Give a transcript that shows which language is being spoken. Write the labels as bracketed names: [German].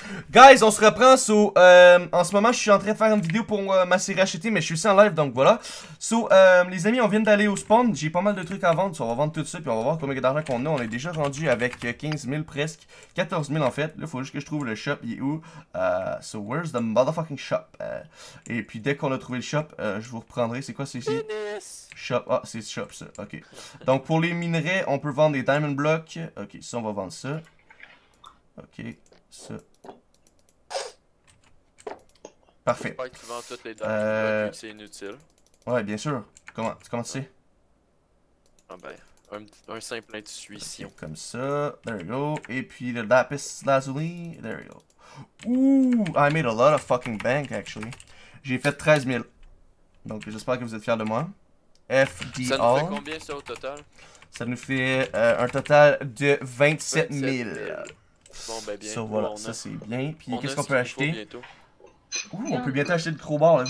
[French] Guys, on se reprend. So, en ce moment, je suis en train de faire une vidéo pour ma série HT, mais je suis aussi en live, donc voilà. So, les amis, on vient d'aller au spawn. J'ai pas mal de trucs à vendre. So, on va vendre tout ça, puis on va voir combien d'argent qu'on a. On est déjà rendu avec 15 000 presque. 14 000 en fait. Là, faut juste que je trouve le shop. Il est où? [English] So, where's the motherfucking shop? [French] Et puis, dès qu'on a trouvé le shop, je vous reprendrai. C'est quoi, c'est ici? Shop. Ah, c'est shop, ça. Ok. Donc, pour les minerais, on peut vendre des diamond blocks. Ok, ça, on va vendre ça. Ok, ça. Parfait. J'espère que tu vends toutes les dames, c'est inutile. Ouais, bien sûr. Comment tu sais? Ah ben, un simple intuition. Okay, comme ça, [English] there you go. [French] Et puis le lapis lazuli, there you go. [English] Ouh, I made a lot of fucking bank actually. [French] J'ai fait 13 000. Donc j'espère que vous êtes fiers de moi. FDR. Ça nous fait combien ça au total? Ça nous fait un total de 27 000. Bon, ben bien, so, voilà, on ça c'est bien. Puis qu'est-ce qu'on peut acheter? Ouh, on peut bientôt acheter le crowbar là-bas.